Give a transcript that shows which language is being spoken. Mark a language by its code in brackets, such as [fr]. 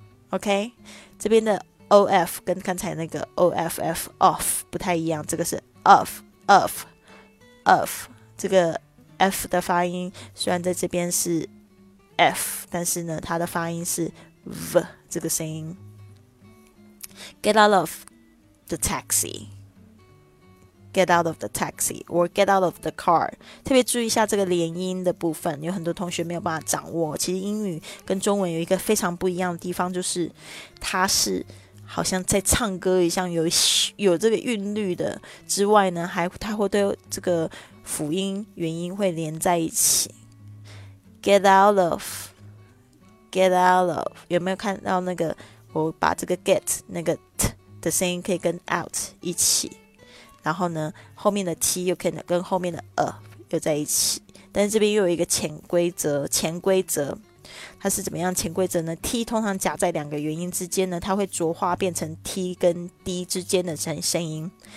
[zh] OK，这边的 of 跟刚才那个 off off 不太一样，这个是 of 这个。 F 的发音虽然在这边是 F，但是呢，它的发音是 V 这个声音。 [en] Get out of the taxi, get out of the taxi, or get out of the car。 [zh] 特别注意一下这个连音的部分，有很多同学没有办法掌握。其实英语跟中文有一个非常不一样的地方，就是它是好像在唱歌一样，有这个韵律的之外呢，还它会对这个。辅音、元音会连在一起。 [en] Get out of, get out of， [zh] 有没有看到那个？我把这个 get 那个 t 的声音可以跟 out 一起，然后呢，后面的 t 又可以跟后面的 又在一起。但是这边又有一个潜规则，潜规则它是怎么样？潜规则呢？t 通常夹在两个元音之间呢，它会浊化变成 t 跟 d 之间的声音。